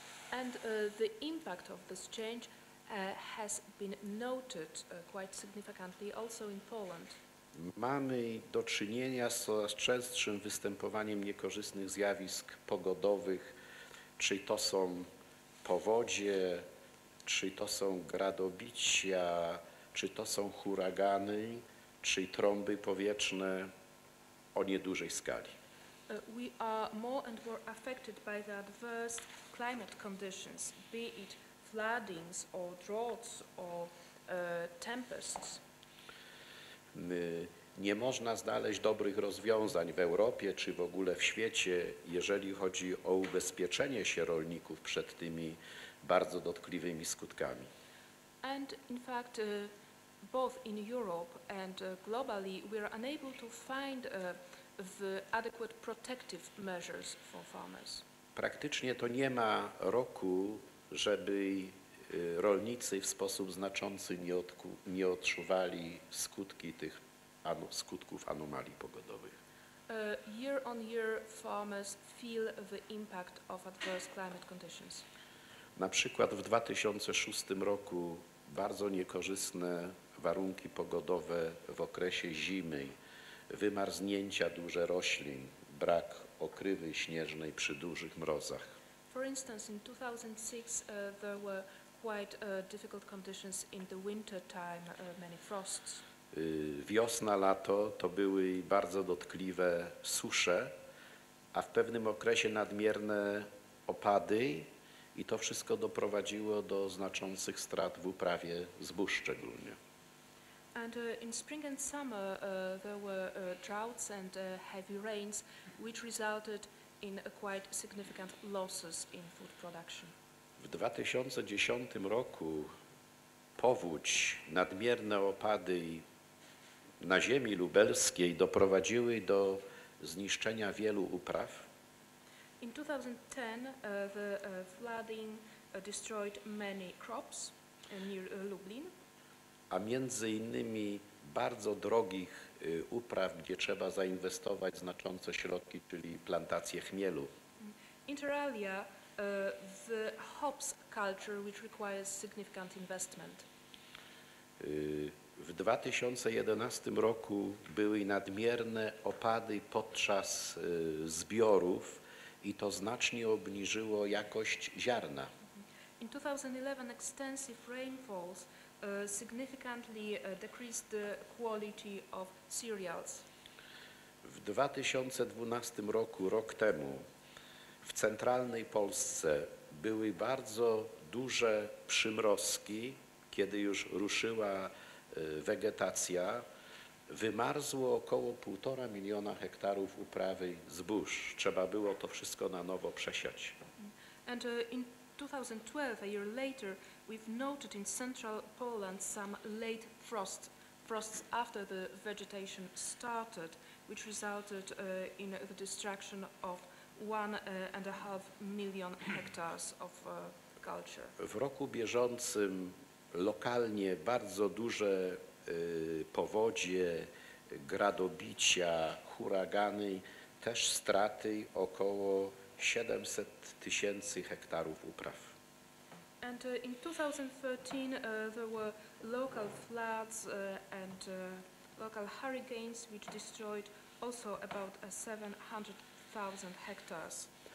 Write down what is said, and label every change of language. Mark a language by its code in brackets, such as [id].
[en] And the impact of this change has been noted quite significantly also in Poland. [pl] Mamy do czynienia z coraz częstszym występowaniem niekorzystnych zjawisk pogodowych, czy to są powodzie, czy to są gradobicia, czy to są huragany, czy trąby powietrzne o niedużej skali. [en] We are more and more affected by the adverse climate conditions, be it floodings or droughts or tempests. [pl] Nie można znaleźć dobrych rozwiązań w Europie czy w ogóle w świecie, jeżeli chodzi o ubezpieczenie się rolników przed tymi bardzo dotkliwymi skutkami. [en] And in fact, both in Europe and globally, we are unable to find the adequate protective measures for farmers. [pl] Praktycznie to nie ma roku, żeby rolnicy w sposób znaczący nie odczuwali skutki tych skutków anomalii pogodowych. [en] Year on year farmers feel the impact of adverse climate conditions. [pl] Na przykład w 2006 roku bardzo niekorzystne warunki pogodowe w okresie zimy, wymarznięcia duże roślin, brak okrywy śnieżnej przy dużych mrozach. [en] For instance, in 2006 there were quite difficult conditions in the winter time, many frosts. [pl] Wiosna, lato to były bardzo dotkliwe susze, a w pewnym okresie nadmierne opady i to wszystko doprowadziło do znaczących strat w uprawie zbóż szczególnie. [en] And in spring and summer there were droughts and heavy rains which resulted in quite significant losses in food production. [pl] W 2010 roku powódź, nadmierne opady na ziemi lubelskiej doprowadziły do zniszczenia wielu upraw. [en] In 2010 the flooding destroyed many crops near Lublin. [pl] A między innymi bardzo drogich upraw, gdzie trzeba zainwestować znaczące środki, czyli plantacje chmielu. [en] Inter alia, the hops culture, which requires significant investment. [pl] W 2011 roku były nadmierne opady podczas zbiorów i to znacznie obniżyło jakość ziarna. [en] In 2011 extensive rainfalls significantly decreased the quality of cereals. [pl] W 2012 roku, rok temu, w centralnej Polsce były bardzo duże przymrozki, kiedy już ruszyła wegetacja, wymarzło około 1,5 miliona hektarów uprawy zbóż. Trzeba było to wszystko na nowo przesiać. [en] And in 2012, a year later, we've noted in central Poland some late frosts after the vegetation started, which resulted in the destruction of 1.5 million hectares of culture. [pl] W roku bieżącym lokalnie bardzo duże powodzie, gradobicia, huragany, też straty około 700 tysięcy hektarów upraw. [en] And in 2013 there were local floods and local hurricanes which destroyed also about 700,000 hectares.